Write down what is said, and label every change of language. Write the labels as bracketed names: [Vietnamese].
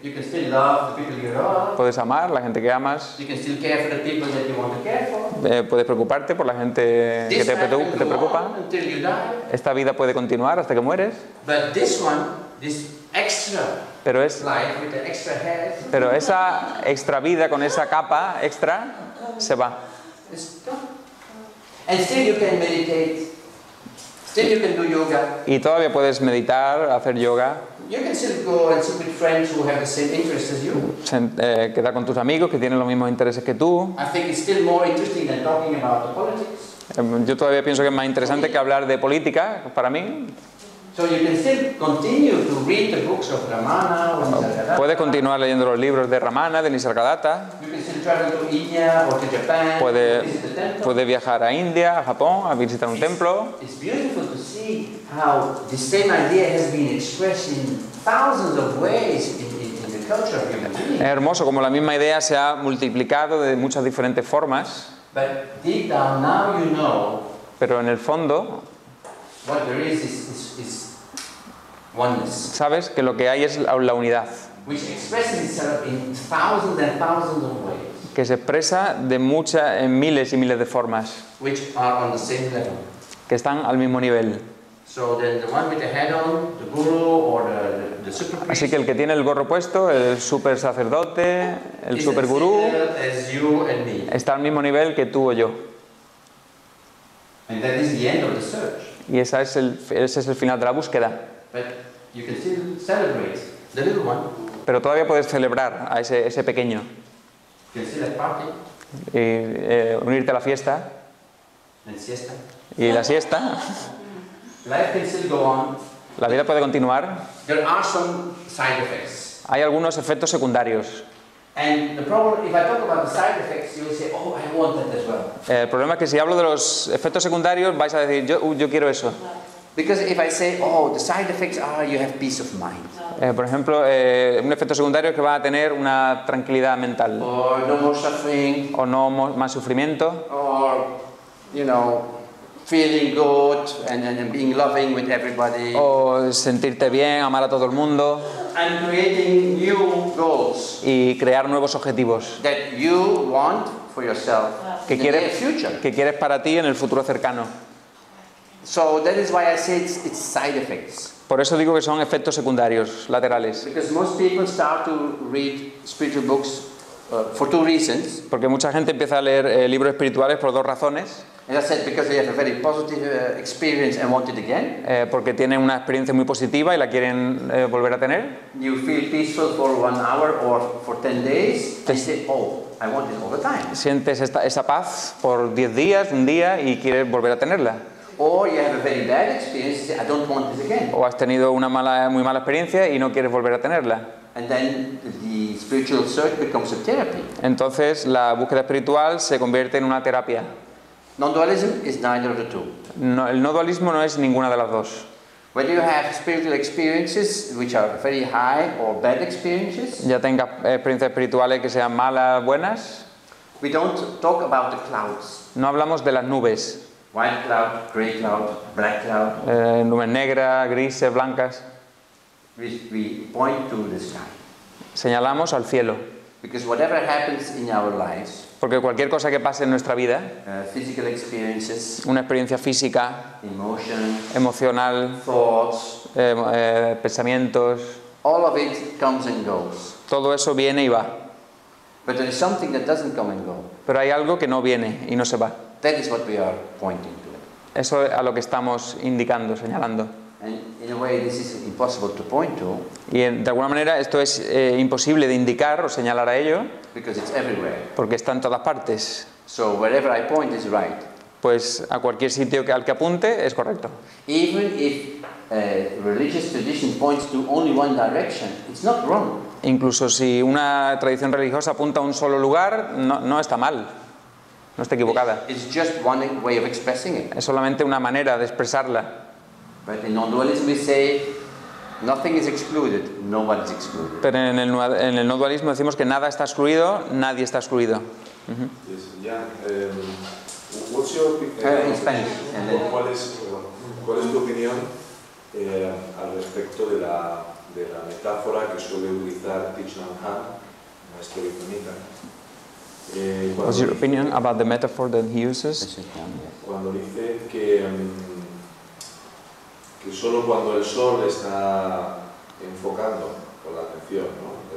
[English] You can still love the people you love. [Spanish] Puedes amar la gente que amas. [English] You can still care for the people that you want to care for. [Spanish] Puedes preocuparte por la gente que te preocupa. [English] Until you die. [Spanish] Esta vida puede continuar hasta que mueres. [English] But this one, this extra. [Spanish] Pero es [English] life with the extra hair. [Spanish] Pero esa extra vida con esa capa extra se va. [English] And still you can meditate. Still you can do yoga. [Spanish] Y todavía puedes meditar, hacer yoga. [English] You can still go and sit with friends who have the same interests as you. [Spanish] Quedar con tus amigos que tienen los mismos intereses que tú. [English] I think it's still more interesting than talking about the politics. [Spanish] Yo todavía pienso que es más interesante que hablar de política para mí. [English] So you can still continue to read the books of Ramana or Nisargadatta. [Spanish] Puedes continuar leyendo los libros de Ramana, de Nisargadatta. [English] You can still travel to India or to Japan. [Spanish] Puedes viajar a India, a Japón, a visitar un templo. [English] It's beautiful to see how the same idea has been expressed in thousands of ways in the culture of human beings. [Spanish] Es hermoso como la misma idea se ha multiplicado de muchas diferentes formas. [English] But deep down, now you know. [Spanish] Pero en el fondo. [English] What there is oneness. [Spanish] Sabes que lo que hay es la unidad. [English] Which expresses itself in thousands and thousands of ways. [Spanish] Que se expresa de muchas, en miles y miles de formas. [English] Which are on the same level. [Spanish] Que están al mismo nivel. [English] So then the one with the head on, the guru or the super priest. [Spanish] Así que el que tiene el gorro puesto, el super sacerdote, el super gurú, está al mismo nivel que tú o yo. [English] And that is the end of the search. [Spanish] Y ese es el final de la búsqueda. [English] But you can still celebrate the little one. [Spanish] Pero todavía puedes celebrar a ese pequeño. [English] You can still party. [Spanish] Y unirte a la fiesta. En siesta. Y la siesta. [English] Life can still go on. [Spanish] La vida puede continuar. [English] There are some side effects. [Spanish] Hay algunos efectos secundarios. [English] And the problem, if I talk about the side effects, you will say, "Oh, I want that as well." [Spanish] El problema es que si hablo de los efectos secundarios, vais a decir, "Yo quiero eso." [English] Because if I say, "Oh, the side effects are you have peace of mind." [Spanish] Por ejemplo, un efecto secundario es que va a tener una tranquilidad mental. [English] Or no more suffering. [Spanish] O no más sufrimiento. [English] Or, you know, feeling good and being loving with everybody. [Spanish] O sentirte bien, amar a todo el mundo. [English] And creating new goals. [Spanish] Y crear nuevos objetivos. [English] That you want for yourself. [Spanish] Que quieres, [English] in the future. [Spanish] Que quieres para ti en el futuro cercano. [English] So that is why I say it's side effects. [Spanish] Por eso digo que son efectos secundarios, laterales. [English] Because most people start to read spiritual books for two reasons. [Spanish] Porque mucha gente empieza a leer libros espirituales por dos razones. [English] As I said, because they have a very positive experience and want it again. [Spanish] Porque tienen una experiencia muy positiva y la quieren volver a tener. [English] You feel peaceful for 1 hour or for 10 days. They say, "Oh, I want it all the time." [Spanish] Sientes esa paz por 10 días, un día, y quieres volver a tenerla. [English] Or you have a very bad experience. You say, "I don't want this again." [Spanish] O has tenido una muy mala experiencia y no quieres volver a tenerla. [English] And then the spiritual search becomes a therapy. [Spanish] Entonces la búsqueda espiritual se convierte en una terapia. [English] Non-dualism is neither of the two. [Spanish] No, el no dualismo no es ninguna de las dos. [English] Whether you have spiritual experiences which are very high or bad experiences. [Spanish] Ya tenga experiencias espirituales que sean malas, buenas. [English] We don't talk about the clouds. [Spanish] No hablamos de las nubes. [English] White cloud, gray cloud, black cloud. [Spanish] Nubes negras, grises, blancas. [English] We point to the sky. [Spanish] Señalamos al cielo. [English] Because whatever happens in our lives. [Spanish] Porque cualquier cosa que pase en nuestra vida, [English] physical experiences, [Spanish] una experiencia física, [English] emotions, [Spanish] emocional, [English] thoughts, [Spanish] pensamientos, [English] all of it comes and goes. [Spanish] Todo eso viene y va. [English] But there is something that doesn't come and go. [Spanish] Pero hay algo que no viene y no se va. [English] That is what we are pointing to. [Spanish] Eso es a lo que estamos indicando, señalando. [English] And in a way, this is impossible to point to. [Spanish] Y de alguna manera esto es imposible de indicar o señalar a ello. [English] Because it's everywhere. [Spanish] Porque está en todas partes. [English] So wherever I point is right. [Spanish] Pues a cualquier sitio al que apunte es correcto. [English] Even if religious tradition points to only one direction, it's not wrong. [Spanish] Incluso si una tradición religiosa apunta a un solo lugar, no está mal. No está equivocada. [English] It's just one way of expressing it. [Spanish] Es solamente una manera de expresarla. [English] But in non-dualism we say nothing is excluded, nobody is excluded. [Spanish] Pero en el no-dualismo decimos que nada está excluido, nadie está excluido. [English] Yes, yeah. What's your in Spanish? What is [Spanish] ¿Cuál es tu opinión al respecto de la metáfora que suele utilizar Thich Nhat Hanh, maestro vietnamita? [English] What's your opinion about the metaphor that he uses? [Spanish] Cuando dice que solo cuando el sol está enfocando con la atención, ¿no?